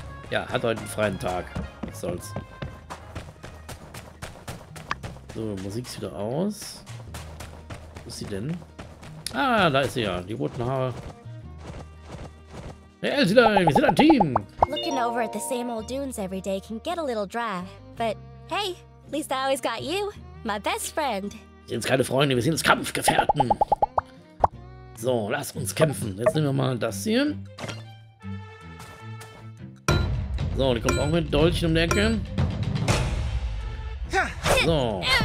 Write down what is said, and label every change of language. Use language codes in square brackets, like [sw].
[de] Ja, hat heute einen freien Tag. Was soll's. So, Musik ist wieder aus. ist sie denn? Ah, da ist sie ja. Die roten Haare. Hey, Elsilein, wir sind ein Team. [en] Looking over at the same old dunes every day can get a little dry. But hey, at least I always got you, my best friend. [de] Wir sind keine Freunde, wir sind Kampfgefährten. So, lass uns kämpfen. Jetzt nehmen wir mal das hier. So, die kommt auch mit Dolchen um die Ecke. So.